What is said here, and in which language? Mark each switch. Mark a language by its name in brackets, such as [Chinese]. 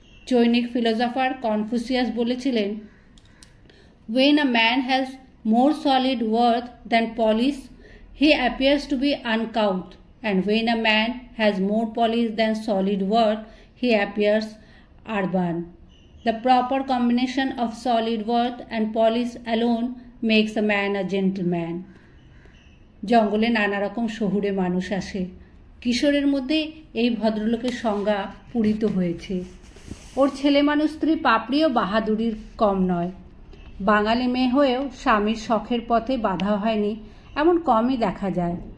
[English] চৈনিক philosopher Confucius বলেছিলেন, when a man has more solid worth than polish he appears to be uncouth and when a man has more polish than solid worth he appears urban. The proper combination of solid worth and polish alone makes a man a gentleman. [Bangla] জঙ্গলে নানা রকম শহুরে মানুষ আসে, কিশোরের মধ্যে এই ভদ্রলোকের সংজ্ঞা পূরিত হয়েছে। ওর ছেলে মানুষ স্ত্রী পাপড়ি ও বাহাদুরির কম নয়। বাঙালি মেয়ে হয়েও স্বামীর শখের পথে বাধা হয়নি এমন কমই দেখা যায়।